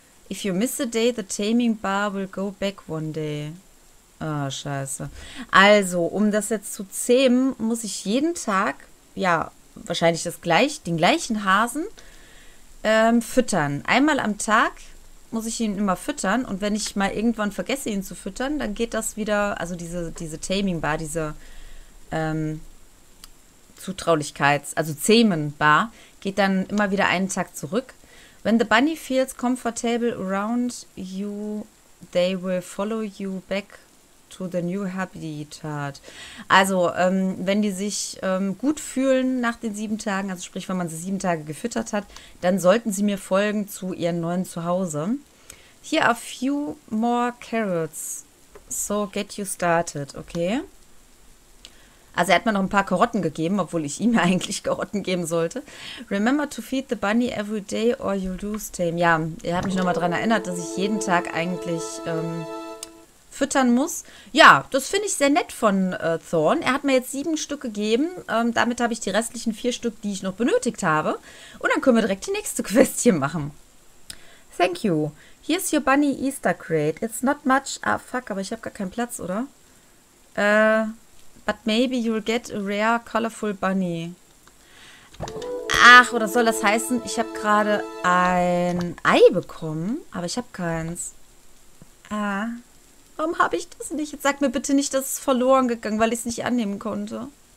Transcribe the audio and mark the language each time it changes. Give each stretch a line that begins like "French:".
English: If you miss a day, the taming bar will go back one day.
German: Ah, scheiße. Also, um das jetzt zu zähmen, muss ich jeden Tag, ja, wahrscheinlich den gleichen Hasen füttern. Einmal am Tag muss ich ihn immer füttern. Und wenn ich mal irgendwann vergesse, ihn zu füttern, dann geht das wieder, also diese Taming Bar, diese Zutraulichkeits-, also Zähmen-Bar, geht dann immer wieder einen Tag zurück.
English: When the bunny feels comfortable around you, they will follow you back to the new habitat.
German: Also, wenn die sich gut fühlen nach den 7 Tagen, also sprich, wenn man sie 7 Tage gefüttert hat, dann sollten sie mir folgen zu ihrem neuen Zuhause.
English: Here are a few more carrots. So get you started, okay?
German: Also er hat mir noch ein paar Karotten gegeben, obwohl ich ihm ja eigentlich Karotten geben sollte.
English: Remember to feed the bunny every day or you lose tame.
German: Ja, er hat mich nochmal daran erinnert, dass ich jeden Tag eigentlich füttern muss. Ja, das finde ich sehr nett von Thorn. Er hat mir jetzt 7 Stück gegeben. Damit habe ich die restlichen 4 Stück, die ich noch benötigt habe. Und dann können wir direkt die nächste Quest hier machen.
English: Thank you. Here's your bunny Easter crate. It's not much. Ah, fuck,
German: aber ich habe gar keinen Platz, oder?
English: But maybe you'll get a rare, colorful bunny.
German: Ach, oder soll das heißen, ich habe gerade ein Ei bekommen, aber ich habe keins. Ah, warum habe ich das nicht? Jetzt sag mir bitte nicht, dass es verloren gegangen, weil ich es nicht annehmen konnte.